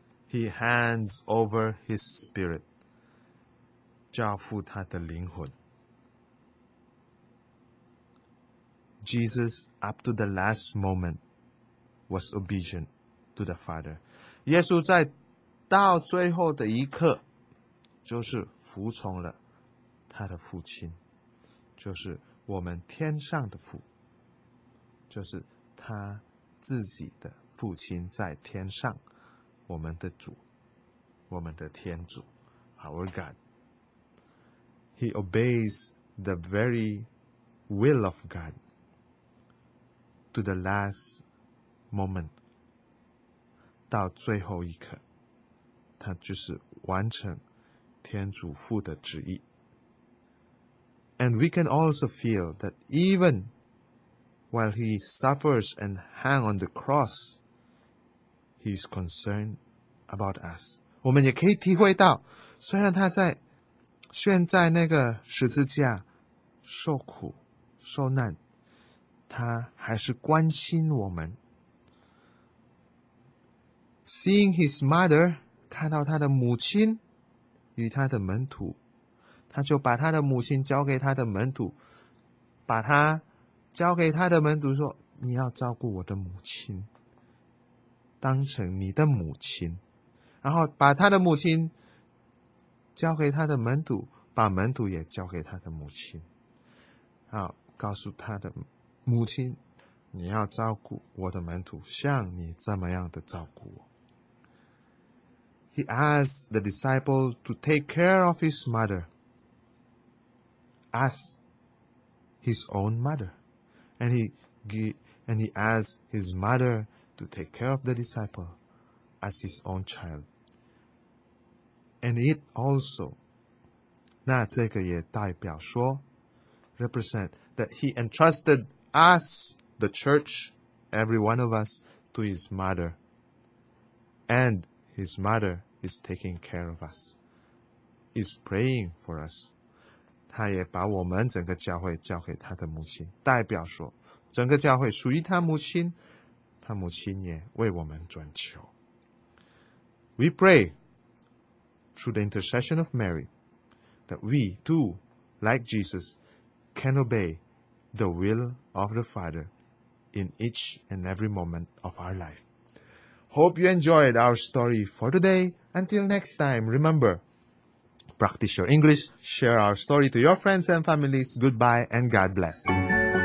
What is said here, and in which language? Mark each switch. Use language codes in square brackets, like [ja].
[en] He hands over his spirit, [zh] 交付他的灵魂。 [en] Jesus, up to the last moment, was obedient to the Father. [zh] 耶稣在到最后的一刻，就是服从了他的父亲，就是我们天上的父，就是他自己的父亲在天上。我们的主，我们的天主 ， [en] Our God. He obeys the very will of God to the last moment. [zh] 到最后一刻，他就是完成天主父的旨意。 [en] And we can also feel that even while he suffers and hang on the cross, he is concerned. About us, [zh] 我们也可以体会到，虽然他在悬在那个十字架受苦受难，他还是关心我们。 [en] Seeing his mother, [zh] 看到他的母亲与他的门徒，他就把他的母亲交给他的门徒，把他交给他的门徒说：“你要照顾我的母亲，当成你的母亲。” 然后把他的母亲交给他的门徒，把门徒也交给他的母亲，好，告诉他的母亲，你要照顾我的门徒，像你这么样的照顾我。 [en] He asked the disciple to take care of his mother as his own mother, and he asked his mother to take care of the disciple as his own child. And it also, [zh] 那这个也代表说 [en] represent that he entrusted us, the church, every one of us, to his mother. And his mother is taking care of us, is praying for us. [zh] 他也把我们整个教会交给他的母亲，代表说整个教会属于他母亲，他母亲也为我们转求。 [en] We pray. Through the intercession of Mary, that we too, like Jesus, can obey the will of the Father in each and every moment of our life. Hope you enjoyed our story for today. Until next time, remember, practice your English, share our story to your friends and families. Goodbye and God bless.